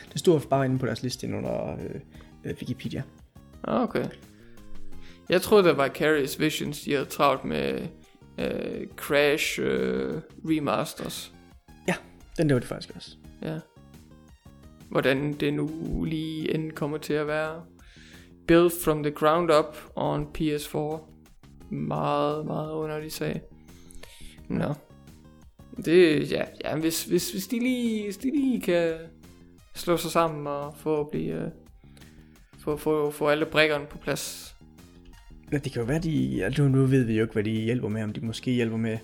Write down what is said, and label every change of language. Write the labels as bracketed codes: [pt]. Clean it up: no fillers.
[da] Det stod bare inde på deres liste under Wikipedia. Okay. Jeg troede, det var Carrie's Visions, de havde travlt med Crash Remasters. Ja, den der var det faktisk også. Ja. Hvordan det nu lige end kommer til at være. [en] Built from the ground up on PS4. [da] Meget, meget underlig sag. Nå. Det, ja hvis de lige kan slå sig sammen og få at blive få alle brikkerne på plads. Ja, det kan jo være, de... Altså nu ved vi jo ikke, hvad de hjælper med. Om de måske hjælper med...